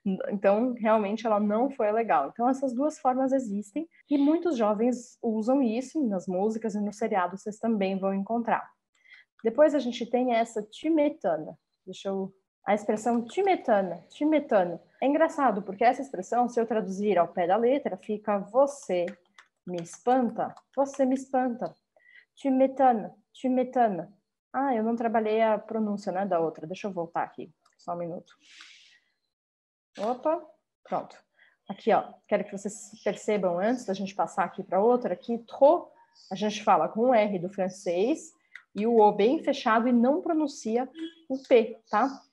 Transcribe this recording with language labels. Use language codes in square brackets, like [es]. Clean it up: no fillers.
[pt] Então, realmente ela não foi legal. Então, essas duas formas existem e muitos jovens usam isso nas músicas e nos seriados, vocês também vão encontrar. Depois a gente tem essa tu m'étonnes. A expressão [fr] tu m'étonnes, tu m'étonnes. [pt] É engraçado porque essa expressão, se eu traduzir ao pé da letra, fica você me espanta, você me espanta. [fr] Tu m'étonnes, tu m'étonnes. [pt] Ah, eu não trabalhei a pronúncia, né, da outra. Deixa eu voltar aqui, só um minuto. Opa, pronto. Aqui, ó, quero que vocês percebam antes da gente passar aqui para outra, que trop, a gente fala com o R do francês e o O bem fechado e não pronuncia o P, tá?